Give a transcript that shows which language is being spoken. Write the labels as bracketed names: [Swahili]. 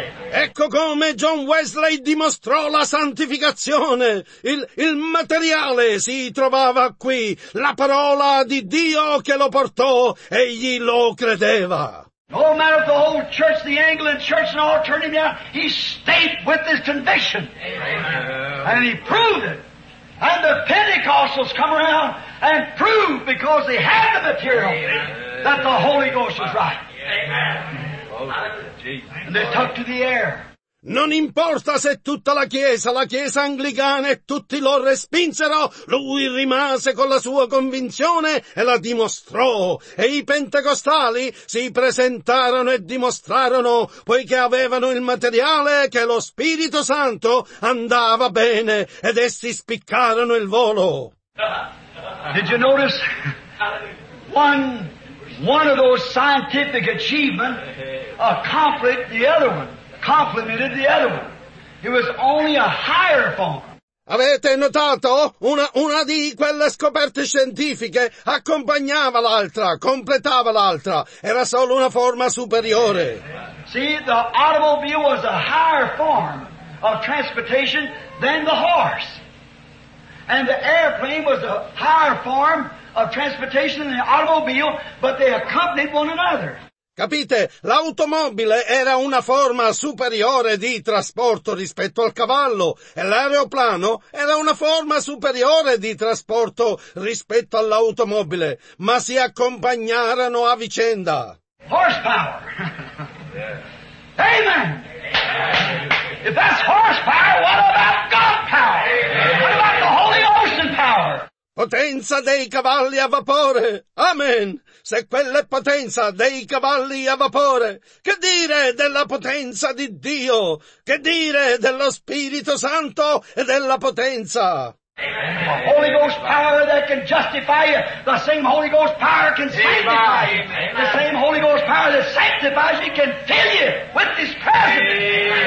[Italian] Ecco come John Wesley dimostrò la santificazione. Il materiale si trovava qui, la parola di Dio che lo portò, egli lo credeva. [English] No matter if the whole church, the Anglican church and all turned him down, he stayed with his conviction. Amen. And he proved it. And the Pentecostals come around and proved, because they had the material, that the Holy Ghost was right. Amen. And they took to the air. [Italian] Non importa se tutta la Chiesa anglicana e tutti lo respinsero, lui rimase con la sua convinzione e la dimostrò. E i pentecostali si presentarono e dimostrarono, poiché avevano il materiale, che lo Spirito Santo andava bene ed essi spiccarono il volo. [English] Did you notice one of those scientific achievements accomplished the other one? Complimented the other one. It was only a higher form. [Italian] Avete notato? Una di quelle scoperte scientifiche accompagnava l'altra, completava l'altra. Era solo una forma superiore. [English] See, the automobile was a higher form of transportation than the horse. And the airplane was a higher form of transportation than the automobile, but they accompanied one another. [Italian] Capite? L'automobile era una forma superiore di trasporto rispetto al cavallo e l'aeroplano era una forma superiore di trasporto rispetto all'automobile, ma si accompagnarono a vicenda. [English] Horsepower! Yeah. Amen! If that's horsepower, what about God power? What about the Holy Ocean power? [Italian] Potenza dei cavalli a vapore. Amen. Se quella è potenza dei cavalli a vapore, che dire della potenza di Dio? Che dire dello Spirito Santo e della potenza? [English] The Holy Ghost power that can justify you, the same Holy Ghost power can sanctify you. The same Holy Ghost power that sanctifies you can fill you with His presence.